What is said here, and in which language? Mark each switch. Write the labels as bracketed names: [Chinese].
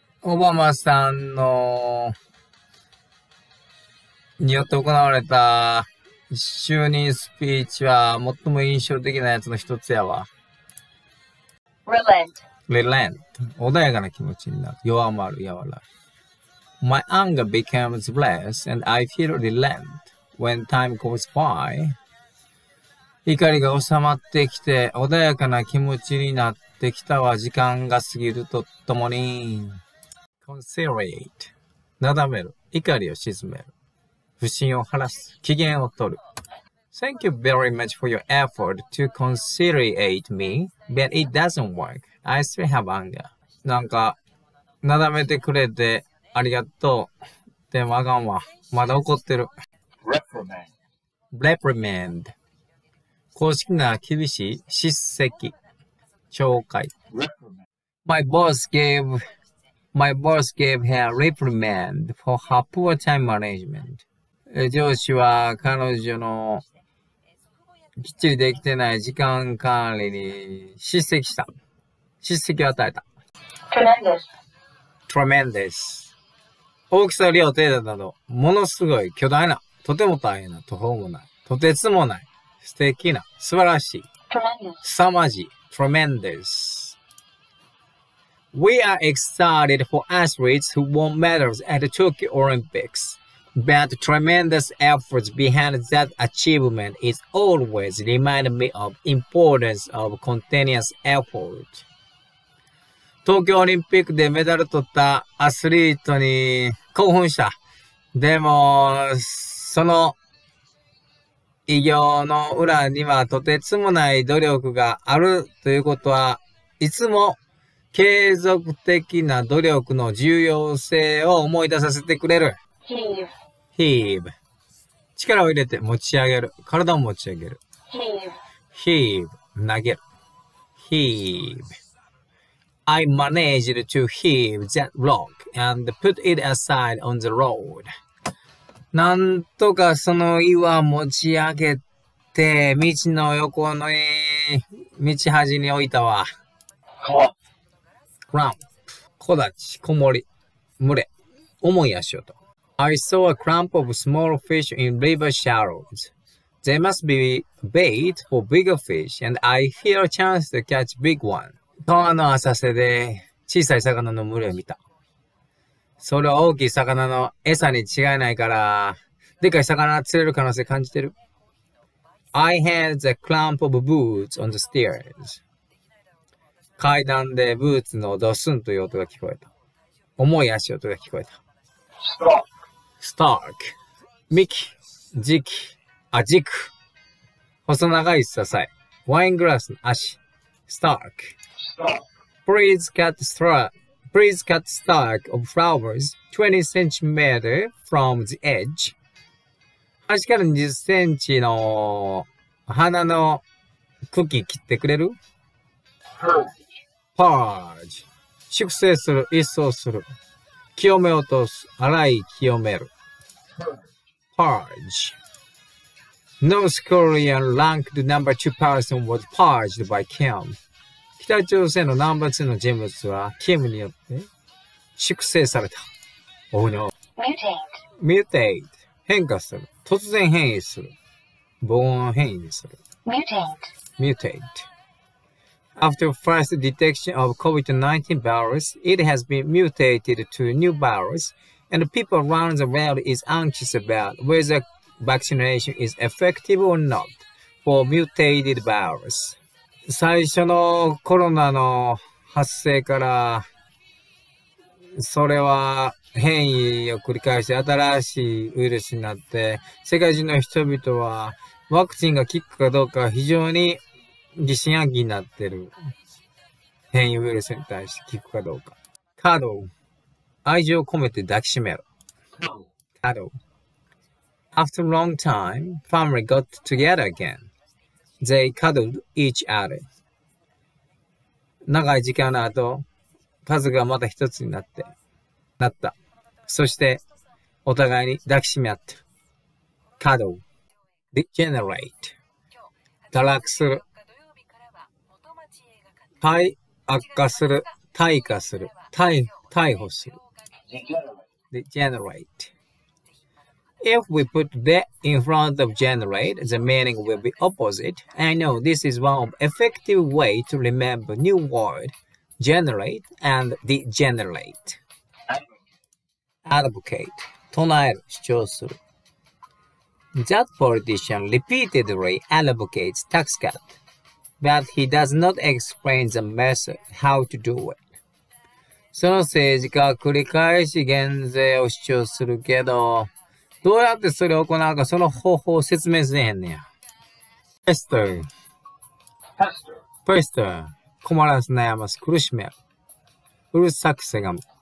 [Japanese] オバマさんのによって行われた就任スピーチは最も印象的なやつの一つやわ。 [English] Relent. [Japanese] 穏やかな気持ちになる。弱まる、やわらかい。 [English] My anger becomes less and I feel relent when time goes by. [Japanese] 怒りが収まってきて、穏やかな気持ちになってきたわ、時間が過ぎるとともに。 [English] Conciliate. [Japanese] なだめる。怒りを鎮める。不信を晴らす。機嫌を取る。 [English] Thank you very much for your effort to conciliate me, but it doesn't work. I still have anger. [Japanese] なんか、なだめてくれてありがとう。でもあかんわ。まだ怒ってる。 [English] Reprimand. [Japanese] 公式な厳しい叱責懲戒 [English] My boss gave her a reprimand for her poor time management. [Japanese] 上司は彼女のきっちりできてない時間管理に叱責した。叱責を与えた。 [English] Tremendous. [Japanese] 大きさ、量、程度など、ものすごい、巨大な、とても大変な、途方もない、とてつもない、素敵な、素晴らしい。 [English] Tremendous. [Japanese] 凄まじい。Tremendous. [English] We are excited for athletes who won medals at the Tokyo Olympics, but the tremendous efforts behind that achievement is always reminding me of the importance of continuous effort. [Japanese] 東京オリンピックでメダル取ったアスリートに興奮した。でも、その偉業の裏にはとてつもない努力があるということはいつも継続的な努力の重要性を思い出させてくれる。 [English] Heave. [Japanese] 力を入れて持ち上げる。体を持ち上げる。 [English] Heave. [Japanese] 投げる。Heave. [English] I managed to heave that rock and put it aside on the road. [Japanese] なんとかその岩持ち上げて、道の横の道端に置いたわ。 [English] Cramp. [Japanese] 木立、こもり、群れ、重い足音。 [English] I saw a cramp of small fish in river shallows. They must be bait for bigger fish, and I hear a chance to catch big one. [Japanese] 川の浅瀬で小さい魚の群れを見た。それは大きい魚の餌に違いないから、でかい魚釣れる可能性感じてる。 [English] I had the cramp of boots on the stairs. [Japanese] 階段でブーツのドスンという音が聞こえた。重い足音が聞こえた。 [English] スターク。 [Japanese] ミキ。ジキ。あ、ジク。細長い支え。ワイングラスの足。スターク。 [English] Please cut stalk of flowers 20 centimeters from the edge. [Japanese] 端から20センチの花の茎切ってくれる? [English] Purge. [Japanese] 粛清する、一掃する。清め落とす、洗い清める。 [English] Purge. North Korean ranked number two person was purged by Kim. [Japanese] 北朝鮮のナンバー2の人物は、キムによって、粛清された。 [English] Oh no. Mutate. [Japanese] 変化する。突然変異する。防音変異にする。 [English] Mutate. After first detection of COVID-19 virus, it has been mutated to a new virus, and people around the world is anxious about whether vaccination is effective or not for mutated virus. [Japanese] 最初のコロナの発生から、それは変異を繰り返して新しいウイルスになって、世界中の人々はワクチンが効くかどうか非常に疑心暗鬼になってる。変異ウイルスに対して効くかどうか。カード。愛情を込めて抱きしめる。 [English] カード。 After a long time, family got together again. They cuddled each other. [Japanese] 長い時間の後、家族がまた一つになって、なった。そして、お互いに抱きしめ合った。 [English] カード。Degenerate。 [Japanese] 堕落する。体悪化する、退化する、逮捕する。 [English] Degenerate. If we put the in front of generate, the meaning will be opposite. I know this is one of effective way to remember new word, generate and degenerate. [Japanese] Advocate. 唱える、主張する。 [English] That politician repeatedly advocates tax cut. But he does not explain the method how to do it. [Japanese] その政治家は繰り返し減税を主張するけど、どうやってそれを行うかその方法を説明せへんねや。 [English] Pester. Pester. [Japanese] 困らす、悩ます、苦しめる。うるさくせがむ。